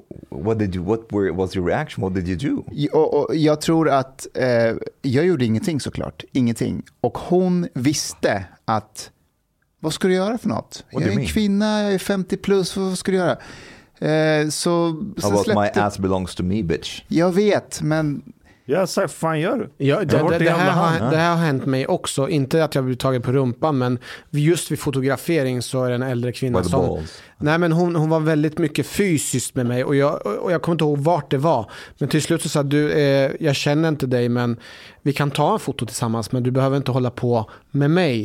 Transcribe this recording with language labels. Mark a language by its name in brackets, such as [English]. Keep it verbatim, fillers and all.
[English] What did you what were was your reaction? What did you do? [Swedish] Och, och jag tror att eh, jag gjorde ingenting, såklart. Ingenting. Och hon visste att vad ska du göra för något? What jag är en kvinna, jag är femtio plus, vad ska du göra? Eh, så [English] About my ass belongs to me, bitch. [Swedish] Jag vet, men ja, så fan gör du? Ja, det, det, det, här har, det här har hänt mig också. Inte att jag blir tagen på rumpan, men just vid fotografering så är det en äldre kvinna som... Nej, men hon, hon var väldigt mycket fysiskt med mig, och jag, och jag kommer inte ihåg vart det var. Men till slut så sa du, eh, jag känner inte dig, men vi kan ta en foto tillsammans, men du behöver inte hålla på med mig.